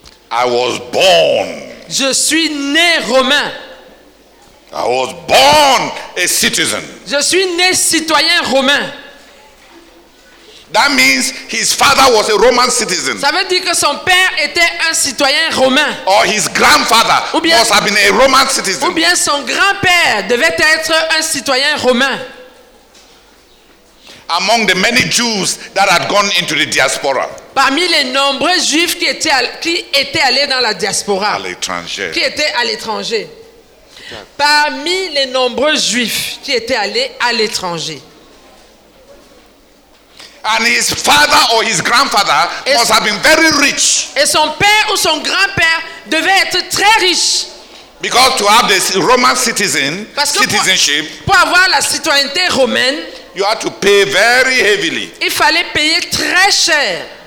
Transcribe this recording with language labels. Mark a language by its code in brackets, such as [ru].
[en] I was born. [fr] Je suis né romain. [en] I was born a citizen. [fr] Je suis né citoyen romain. [en] That means his father was a Roman citizen. [fr] Ça veut dire que son père était un citoyen romain. [en] Or his grandfather must have been a Roman citizen. [fr] Ou bien son grand-père devait être un citoyen romain. [en] Among the many Jews that had gone into the diaspora. [fr] Parmi les nombreux Juifs qui étaient allés dans la diaspora. À l'étranger. Qui étaient à l'étranger. Parmi les nombreux Juifs qui étaient allés à l'étranger. [en] And his father or his grandfather must have been very rich. [fr] Et son père ou son grand-père devait être très riche. [en] Because to have this Roman citizenship, [fr] pour avoir la citoyenneté romaine, [en] you had to pay very heavily. [fr] Il fallait payer très cher.